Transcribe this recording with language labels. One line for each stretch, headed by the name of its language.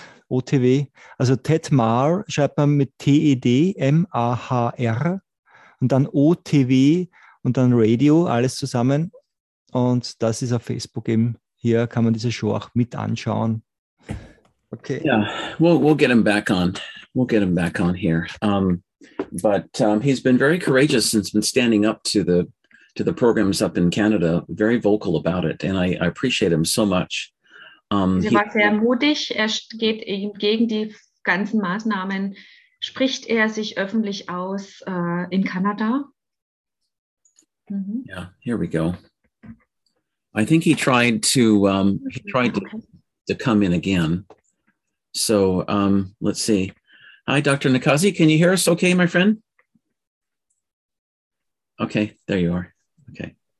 German: OTW, also TEDMAR schreibt man mit TEDMAHR und dann OTW und dann Radio, alles zusammen. Und das ist auf Facebook eben. Hier kann man diese Show auch mit anschauen.
English: Okay. Ja, yeah, we'll get him back on here. But he's been very courageous and he's been standing up to the programs up in Canada, very vocal about it. And I appreciate him so much.
German: Er war sehr mutig, er geht eben gegen die ganzen Maßnahmen, spricht er sich öffentlich aus in Kanada.
English: Mhm. Yeah, here we go. I think he tried to come in again. So, let's see. Hi, Dr. Nakazi, can you hear us okay, my friend? Okay, there you are. Okay.